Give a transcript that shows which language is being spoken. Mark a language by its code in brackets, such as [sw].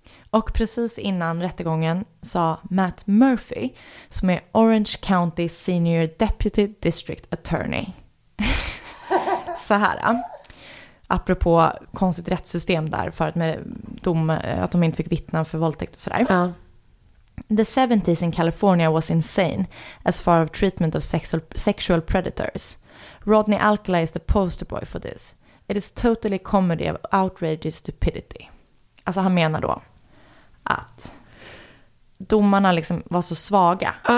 [sv] Och precis innan rättegången sa Matt Murphy, som är Orange County Senior Deputy District Attorney. Så här, apropå konstigt rättssystem där för att, med dom, att de inte fick vittna för våldtäkt och sådär. [en] The 70s in California was insane as far as treatment of sexual predators. Rodney Alcala is the poster boy for this. It is totally comedy of outrageous stupidity. [sv] Alltså han menar då att domarna liksom var så svaga.